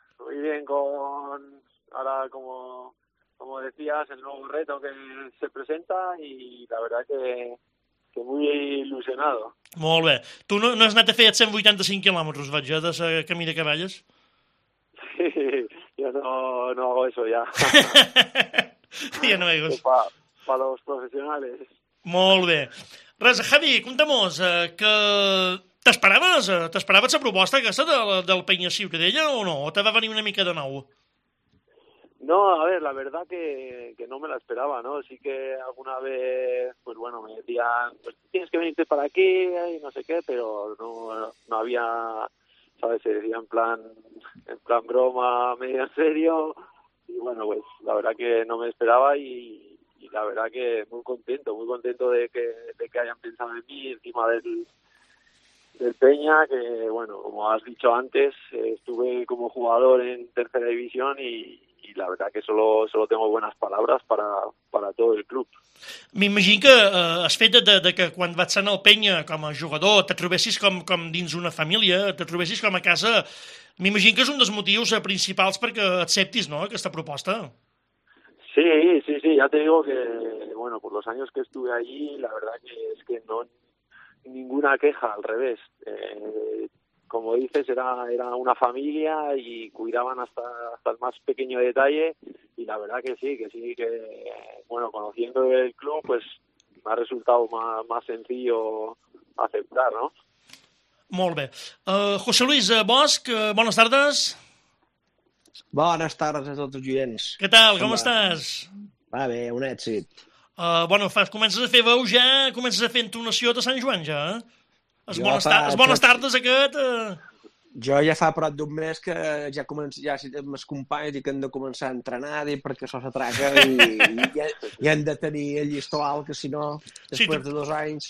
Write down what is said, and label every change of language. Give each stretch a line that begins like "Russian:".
Spanish: Muy bien con ahora como decías, el nuevo reto que se presenta y la verdad que muy ilusionado.
Catalan: Molt bé. Tu no has anat a fer 185 quilòmetres, vaig, de la Camí de Cavalles?
Spanish: Sí, yo no hago eso ya. Ya no hago eso. Para los profesionales.
Catalan: Molt bé. Res, Javi, contamos que t'esperaves la proposta aquesta del penya Ciutadella o no? O te va venir una mica de nou?
Spanish: No, a ver, la verdad que no me la esperaba, ¿no? Sí que alguna vez, pues bueno, me decían, pues tienes que venirte para aquí y no sé qué, pero no había, ¿sabes? Se decía en plan broma, medio en serio. Y bueno, pues la verdad que no me esperaba y la verdad que muy contento de que hayan pensado en mí encima del Peña, que bueno, como has dicho antes, estuve como jugador en tercera división y la verdad que solo tengo buenas palabras para todo el club.
Catalan: M'imagino que el fet de que quan vas ser en el Peña com a jugador te trobessis com dins una família, te trobessis com a casa, m'imagino que és un dels motius principals perquè acceptis, no, aquesta proposta.
Spanish: Sí, ya te digo que, bueno, por los años que estuve allí, la verdad que es que no ninguna queja, al revés. Como dices, era una familia y cuidaban hasta el más pequeño detalle y la verdad que sí, que bueno, conociendo el club, pues me ha resultado más sencillo aceptar, ¿no?
Catalan: Molt bé. José Luis Bosch,
Spanish: buenas tardes. Buenas tardes
Catalan: a tots els oients. Què tal, com estàs? Va bé, un èxit. Bueno, comences a fer veu ja, comences a fer entonació de Sant Joan ja, eh? Bones tardes aquest. Jo ja fa prop d'un mes que ja començo, ja amb els companys i que hem de començar a entrenar i perquè això s'atraca i hem de tenir el llistó alt, que si no, després sí, de 2 anys...